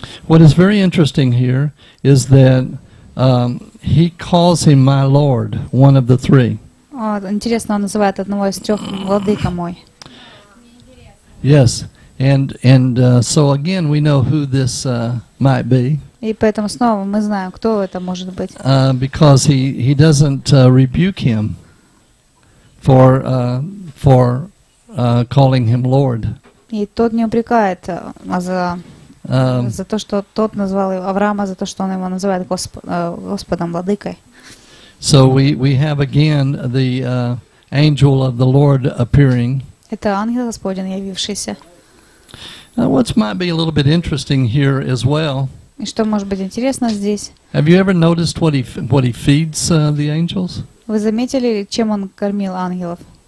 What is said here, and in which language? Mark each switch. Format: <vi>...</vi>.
<en>What is very interesting here is that he calls him my Lord, one of the three.</en> <ru>Интересно, он называет одного из трех владыка мой.</ru> <en>Yes, and so again we know who this might be.</en> <ru>И поэтому снова мы знаем, кто это может быть.</ru> <en>Because he doesn't rebuke him for calling him Lord.</en> <ru>И тот не упрекает за то, что тот назвал Авраама, за то, что он его называет Господом, владыкой.</ru> <en>So we have again the angel of the Lord appearing.</en> <ru>Это ангел Господень явившийся.</ru> <en>What might be a little bit interesting here as well.</en> <ru>И что может быть интересно здесь?</ru> <en>Have you ever noticed what he feeds the angels?</en> <ru>Вы заметили, чем он кормил ангелов?</ru>